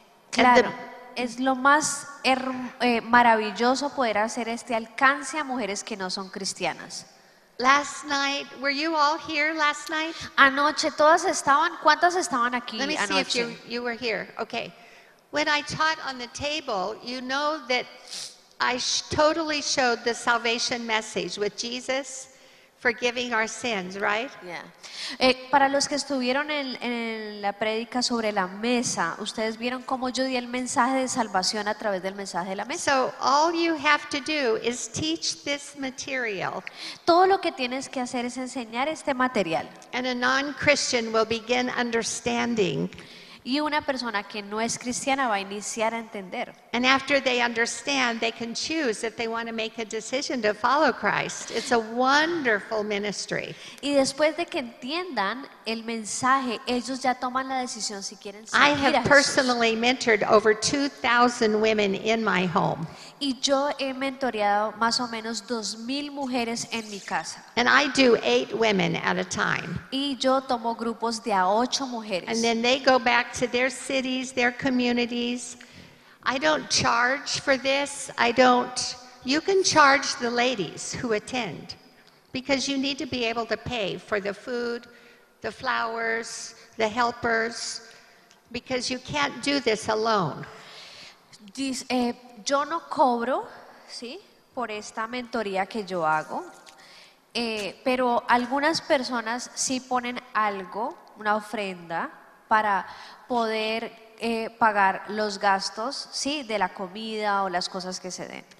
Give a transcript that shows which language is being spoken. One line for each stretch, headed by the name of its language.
Spanish: Claro, es lo más maravilloso poder hacer este alcance a mujeres que no son cristianas.
English: Last night, were you all here last night?
Spanish: Anoche, ¿todas estaban? ¿Cuántas estaban aquí anoche?
English: Let me see
Spanish: anoche.
English: If you were here. Okay. When I taught on the table, you know that I totally showed the salvation message with Jesus forgiving our sins, right? Yeah.
Spanish: Para los que estuvieron en la prédica sobre la mesa, ustedes vieron cómo yo di el mensaje de salvación a través del mensaje de la mesa.
English: So all you have to do is teach this material.
Spanish: Todo lo que tienes que hacer es enseñar este material.
English: And a non-Christian will begin understanding.
Spanish: Y una persona que no es cristiana va a iniciar a entender.
English: And after they understand, they can choose if they want to make a decision to follow Christ. It's a wonderful ministry.
Spanish: Y después de que entiendan el mensaje, ellos ya toman la decisión si quieren seguir a Jesús.
English: I have personally mentored over 2,000 women in my home.
Spanish: Y yo he mentoreado más o menos 2,000 mujeres en mi casa.
English: And I do 8 women at a time.
Spanish: Y yo tomo grupos de a 8 mujeres.
English: And then they go back to their cities, their communities. I don't charge for this. You can charge the ladies who attend because you need to be able to pay for the food, the flowers, the helpers, because you can't do this alone.
Spanish: Yo no cobro, ¿sí?, por esta mentoría que yo hago, pero algunas personas sí ponen algo, una ofrenda, para poder pagar los gastos, sí, de la comida o las cosas que se den.